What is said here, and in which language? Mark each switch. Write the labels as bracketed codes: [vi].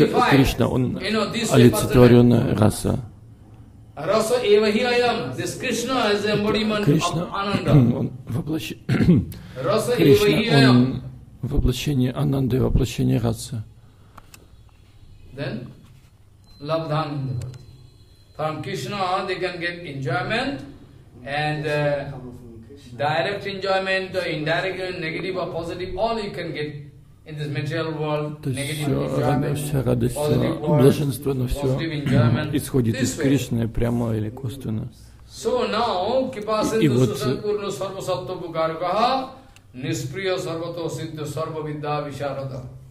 [ru] Кришна, он олицетворенная раса. [sa] Раса эва хи айам. [en] This Krishna is the embodiment Krishna, of Ananda. [sa] Раса эва хи айам. [ru] Воплощение Ананды, воплощение Раса. Then, лабдхананда бхакти. [en] From Krishna they can get enjoyment and direct enjoyment, indirect, negative or positive, all you can get. In this material world, [ru] то есть все радость, вся радость, все блаженство, но все исходит из Кришны прямо или косвенно. [en] So now, [ru] и вот Сатгуру Сарвасатва Бхагаваха Нисприя Сарвато Сиддха Сарва Видда Вишарада.